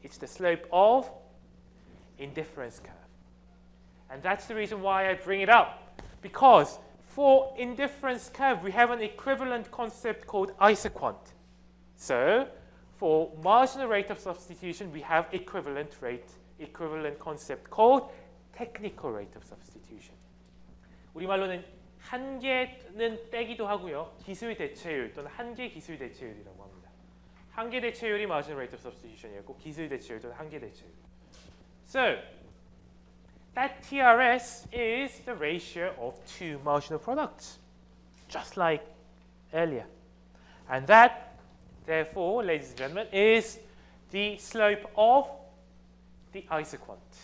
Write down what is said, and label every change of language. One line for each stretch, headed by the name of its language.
English: It's the slope of indifference curve. And that's the reason why I bring it up. Because for indifference curve, we have an equivalent concept called isoquant. So for marginal rate of substitution, we have equivalent concept called technical rate of substitution.
Korean: 우리말로는 한계는 떼기도 하고요. 기술 대체율 또는 한계 기술 대체율이라고 합니다. 한계 대체율이
English: marginal rate of substitution
Korean: 이었고 기술 대체율 또는 한계 대체율.
English: So, that TRS is the ratio of two marginal products, just like earlier. And that, therefore, ladies and gentlemen, is the slope of the isoquant.